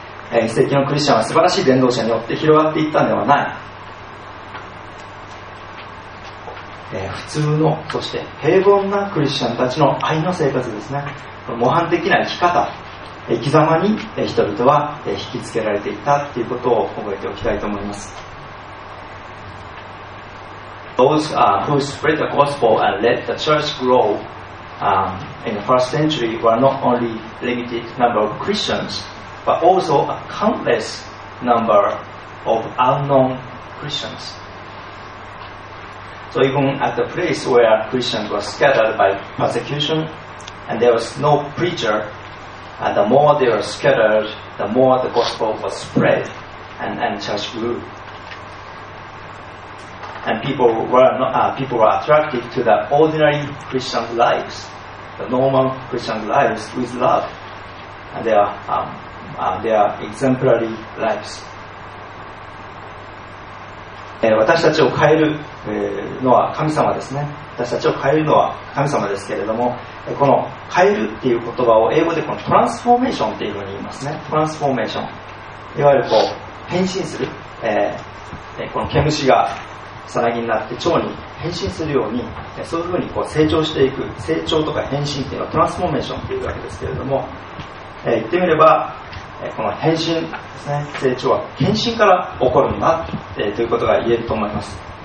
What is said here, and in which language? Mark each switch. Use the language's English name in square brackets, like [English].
[Japanese] 一世紀のクリスチャンは素晴らしい伝道者によって広がっていったのではない、普通のそして平凡なクリスチャンたちの愛の生活ですね、この模範的な生き方、生き様に人々は引きつけられていたということを覚えておきたいと思います。 [English] Those who spread the gospel and let the church grow in the first century were not only limited number of Christians but also a countless number of unknown Christians. So even at the place where Christians were scattered by persecution and there was no preacherAnd the more they were scattered, the more the gospel was spread and church grew. And people were attracted to the ordinary Christian lives, the normal Christian lives with love, and their exemplary lives. [Japanese] 私たちを変えるのは神様ですね。私たちを変えるのは神様ですけれども、この変えるっていう言葉を英語でこのトランスフォーメーションっていうふうに言いますね。トランスフォーメーション、いわゆるこう変身する、この毛虫がさなぎになって蝶に変身するように、そういうふうにこう成長していく、成長とか変身っていうのはトランスフォーメーションっていうわけですけれども、言ってみればこの変身ですね、成長は献身から起こるんだ、ということが言えると思います。